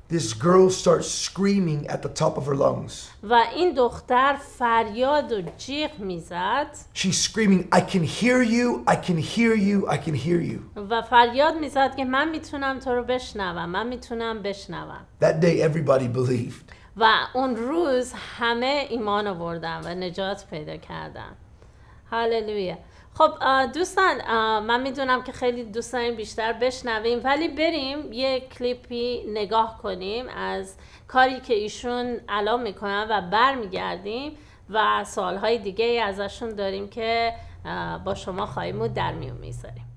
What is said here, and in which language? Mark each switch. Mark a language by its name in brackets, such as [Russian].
[English] This girl starts screaming at the top of her lungs. [Persian] و این دختر فریاد و جیغ میزد. [English] She's screaming, I can hear you, I can hear you, I can hear you. [Persian] و فریاد میزد که من میتونم تو رو بشنوم، من میتونم بشنوم. [English] That day everybody believed. [Persian] و اون روز همه ایمان آوردن و نجات پیدا کردن. هاللویه. خب دوستان، من میدونم که خیلی دوست داریم بیشتر بشنویم، ولی بریم یه کلیپی نگاه کنیم از کاری که ایشون الان میکنن و برمیگردیم و سوالهای دیگه ازشون داریم که با شما خواهیم و در میون میذاریم.